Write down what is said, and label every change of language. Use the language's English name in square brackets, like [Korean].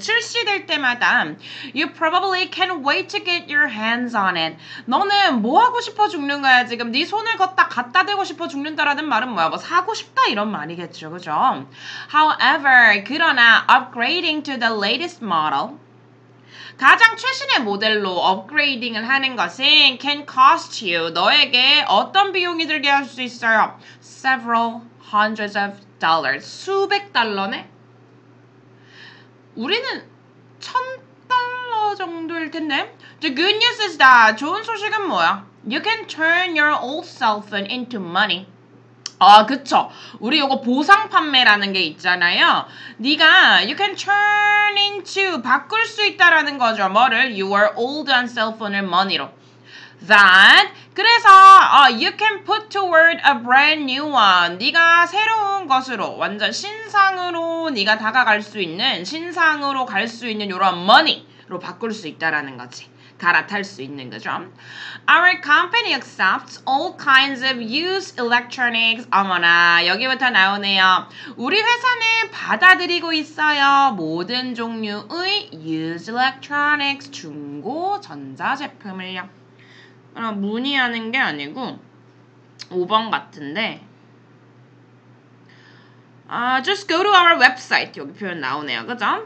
[Korean] 출시될 때마다 [English] You probably can't wait to get your hands on it. [Korean] 너는 뭐 하고 싶어 죽는 거야, 지금? 네 손을 갖다 대고 싶어 죽는다라는 말은 뭐야? 뭐 사고 싶다 이런 말이겠죠, 그죠? However, 그러나 [English] upgrading to the latest model [Korean] 가장 최신의 모델로 업그레이딩을 하는 것은 [English] can cost you [Korean] 너에게 어떤 비용이 들게 할 수 있어요? [English] Several hundreds of dollars [Korean] 수백 달러네? 우리는 $1,000 정도일 텐데. [English] The good news is that [Korean] 좋은 소식은 뭐야? [English] You can turn your old cell phone into money. [Korean] 아, 그쵸. 우리 요거 보상 판매라는 게 있잖아요. 네가 [English] you can turn into [Korean] 바꿀 수 있다라는 거죠. 뭐를? [English] Your old cell phone을 money로. That [Korean] 그래서 [English] you can put toward a brand new one. [Korean] 네가 새로운 것으로 완전 신상으로 네가 다가갈 수 있는 신상으로 갈 수 있는 이런 money로 바꿀 수 있다라는 거지. 갈아탈 수 있는 거죠. [English] Our company accepts all kinds of used electronics. [Korean] 어머나 여기부터 나오네요. 우리 회사는 받아들이고 있어요. 모든 종류의 [English] used electronics [Korean] 중고 전자 제품을요. 아, 문의하는 게 아니고 5번 같은데 아, [English] Just go to our website [Korean] 여기 표현 나오네요. 그죠?